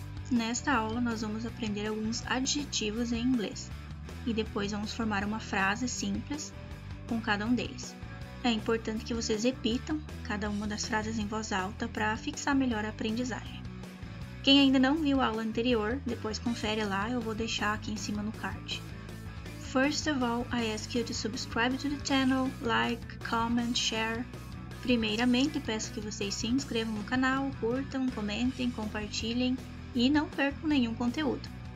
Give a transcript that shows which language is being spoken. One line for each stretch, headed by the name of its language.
Portuguese: Nesta aula nós vamos aprender alguns adjetivos em inglês e depois vamos formar uma frase simples com cada um deles. É importante que vocês repitam cada uma das frases em voz alta para fixar melhor a aprendizagem. Quem ainda não viu a aula anterior, depois confere lá, eu vou deixar aqui em cima no card.
English: First of all, I ask you to subscribe to the channel, like, comment, share.
Portuguese: Primeiramente, peço que vocês se inscrevam no canal, curtam, comentem, compartilhem e não percam nenhum conteúdo.